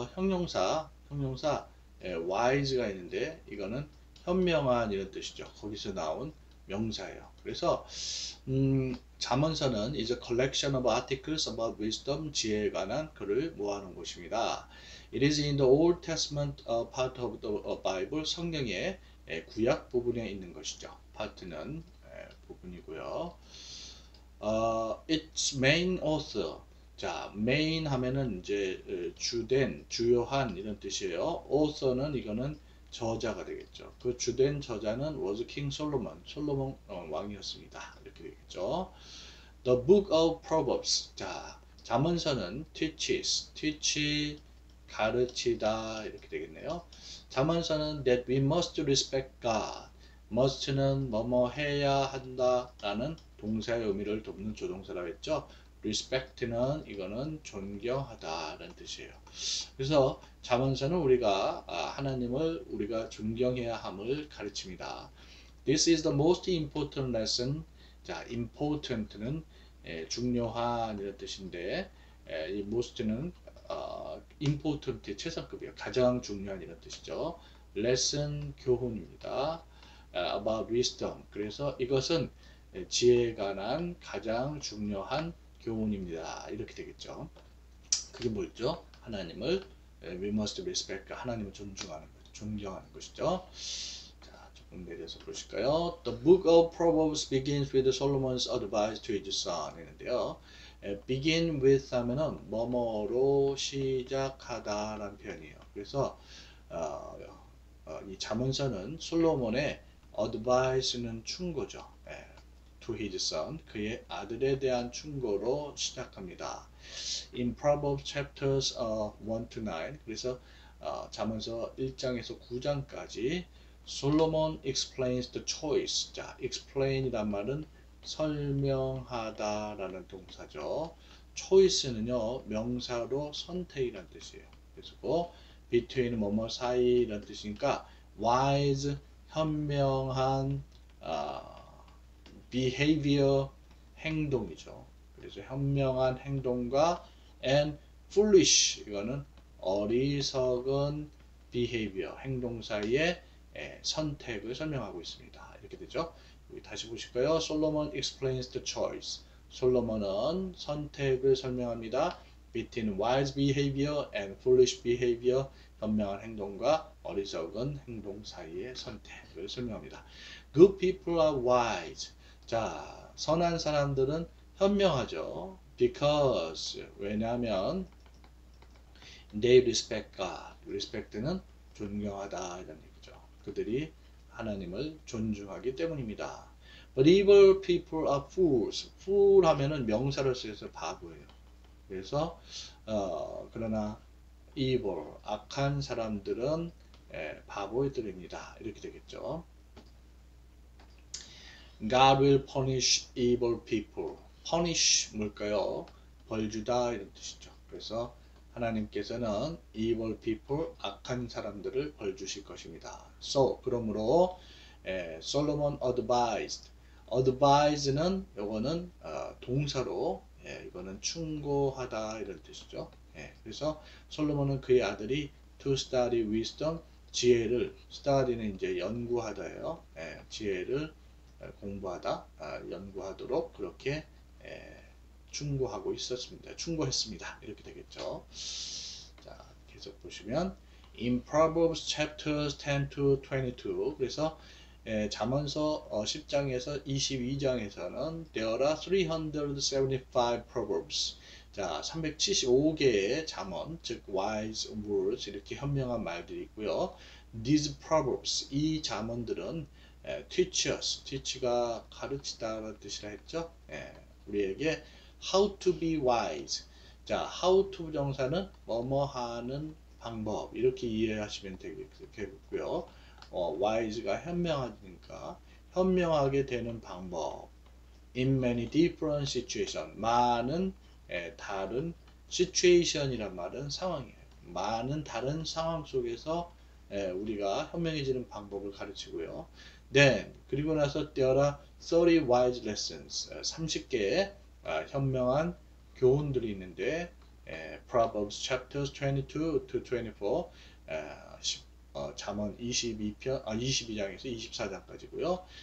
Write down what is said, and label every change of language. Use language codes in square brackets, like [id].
[ko] 형용사 예, wise가 있는데 이거는 현명한 이런 뜻이죠. 거기서 나온 명사예요. 그래서 잠언서는 [en] is a collection of articles about wisdom, [ko] 지혜에 관한 글을 모아놓은 것입니다. [en] It is in the Old Testament part of the Bible, [ko] 성경에 예, 구약 부분에 있는 것이죠. 파트는 예, 부분이고요. [en] Its main author. [ko] 자, main 하면은 이제 주된, 주요한 이런 뜻이에요. author는 이거는 저자가 되겠죠. 그 주된 저자는 [en] was King Solomon. [ko] 솔로몬 왕이었습니다. 이렇게 되겠죠. The Book of Proverbs. 자, 잠언서는 teaches, teach 가르치다 이렇게 되겠네요. [en] 잠언서는 that we must respect God. [ko] must는 뭐뭐 해야 한다라는 동사의 의미를 돕는 조동사라고 했죠. respect는 이거는 존경하다라는 뜻이에요. 그래서 잠언서는 우리가 하나님을 우리가 존경해야 함을 가르칩니다. [en] This is the most important lesson. [ko] 자, important는 예, 중요한 이런 뜻인데 예, 이 most는 important 최상급이에요. 가장 중요한 이런 뜻이죠. lesson 교훈입니다. [en] about wisdom. [ko] 그래서 이것은 지혜에 관한 가장 중요한 교훈입니다. 이렇게 되겠죠. 그게 뭐죠? 하나님을 [en] we must respect [ko] 하나님을 존중하는 존경하는 것이죠. 자, 조금 내려서 보실까요? [en] The Book of Proverbs begins with Solomon's advice to his son 했는데요. [ko] begin with 하면은 뭐뭐로 시작하다라는 표현이에요. 그래서 이 잠언서는 솔로몬의 advice는 충고죠. [en] to his son [ko] 그의 아들에 대한 충고로 시작합니다. [en] In Proverbs chapters 1 to 9 [ko] 그래서 잠언서 1장에서 9장까지 [en] Solomon explains the choice. [ko] 자, explain이란 말은 설명하다라는 동사죠. choice는요 명사로 선택이란 뜻이에요. 그래서 between 뭐뭐 사이라는 뜻이니까 wise 현명한 behavior 행동이죠. 그래서 현명한 행동과 and foolish 이거는 어리석은 behavior 행동 사이에 선택을 설명하고 있습니다. 이렇게 되죠. 여기 다시 보실까요? [en] Solomon explains the choice. [ko] 솔로몬은 선택을 설명합니다. [en] Between wise behavior and foolish behavior, [ko] 현명한 행동과 어리석은 행동 사이의 선택을 설명합니다. [en] Good people are wise. [ko] 자, 선한 사람들은 현명하죠. [en] Because, 왜냐하면 they respect God. [ko] Respect는 존경하다 이런 얘기죠. 그들이 하나님을 존중하기 때문입니다. [en] But evil people are fools. [ko] Fool 하면은 명사를 쓰여서 바보예요. 그래서 그러나 evil 악한 사람들은 바보들입니다. 이렇게 되겠죠. [en] God will punish evil people. [ko] Punish 뭘까요? 벌 주다 이런 뜻이죠. 그래서 하나님께서는 evil people 악한 사람들을 벌 주실 것입니다. So 그러므로 솔로몬 advised. Advise는 요거는 동사로 이거는 충고하다 이런 뜻이죠. 그래서 솔로몬은 그의 아들이 [en] to study wisdom [ko] 지혜를 study는 이제 연구하다예요. 지혜를 공부하다 연구하도록 그렇게 충고하고 있었습니다. 충고했습니다. 이렇게 되겠죠. 자, 계속 보시면 In Proverbs chapters 10 to 22 그래서 잠언서 10장에서 22장에서는 There are 375 proverbs. 자, 375개의 잠언, 즉 wise words 이렇게 현명한 말들이 있고요. [en] These proverbs, [ko] 이 잠언들은 [en] teach us, [ko] teach가 가르치다라는 뜻이라 했죠. 우리에게 [en] how to be wise. [ko] 자, how to 정사는 뭐뭐 하는 방법 이렇게 이해하시면 되겠고요. wise가 현명하니까 현명하게 되는 방법. [en] In many different situations, [ko] 많은 다른 situation이란 말은 상황이에요. 많은 다른 상황 속에서 우리가 현명해지는 방법을 가르치고요. Then, 그리고 나서 there are 30 wise lessons. 30개의 현명한 교훈들이 있는데, [en] Proverbs chapters 22 to 24, [ko] 잠언 22장에서 24장까지고요.